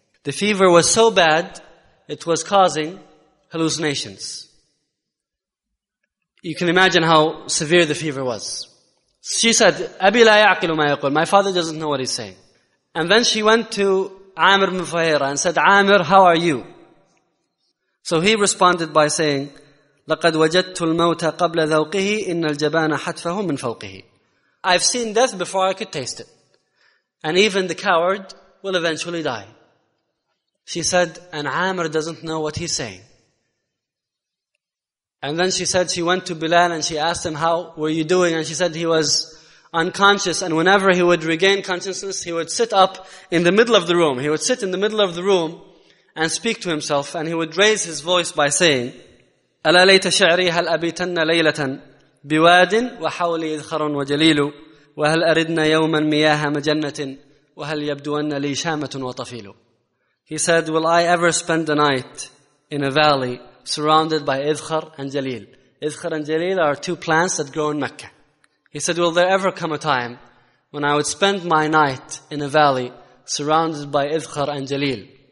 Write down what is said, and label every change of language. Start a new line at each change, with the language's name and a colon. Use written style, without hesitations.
English: The fever was so bad, it was causing hallucinations." You can imagine how severe the fever was. She said,
Arabic: "Abi la ya'qilu ma yaqul."
English: "My father doesn't know what he's saying." And then she went to Amr bin Fuhayra and said, "Amr, how are you?" So he responded by saying,
Arabic: "لقد وجدت الموت قبل ذوقه إن الجبان حتفه من فوقه."
English: I've seen death before I could taste it. And even the coward will eventually die. She said, and Amr doesn't know what he's saying. And then she said, she went to Bilal and she asked him, "How were you doing?" And she said he was unconscious. And whenever he would regain consciousness, he would sit up in the middle of the room. He would sit in the middle of the room and speak to himself. And he would raise his voice by saying,
Arabic: "ألا ليت شعري هل أبيتن ليلة بواد وحولي إذخر وجليل وهل أردنا يوما مياه مجنة وهل يبدون لي شامة وطفيل."
English: He said, "Will I ever spend a night in a valley surrounded by Idhkhar and Jalil?" Idhkhar and Jalil are two plants that grow in Mecca. He said, "Will there ever come a time when I would spend my night in a valley surrounded by Idhkhar and Jalil?